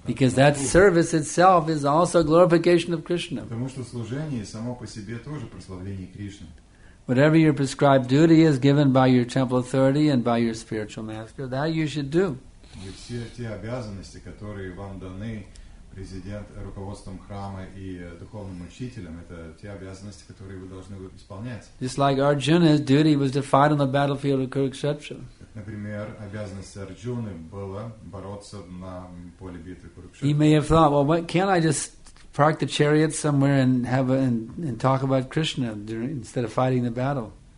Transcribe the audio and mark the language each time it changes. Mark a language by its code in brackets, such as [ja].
[en] Because that service itself is also glorification of Krishna. [ru] Потому что служение само по себе тоже прославление Кришны. [en] Whatever your prescribed duty is given by your temple authority and by your spiritual master, that you should do. [ru] И все те обязанности, которые вам даны президент руководством храма и духовным учителем, это те обязанности, которые вы должны исполнять. [en] Just like Arjuna's duty was to fight on the battlefield of Kurukshetra. [ru] Например, обязанность Арджуны была бороться на поле битвы Курукшетра. [en] He may have thought, well, what, can't I just park the chariot somewhere and have a, and talk about Krishna during, instead of fighting the battle?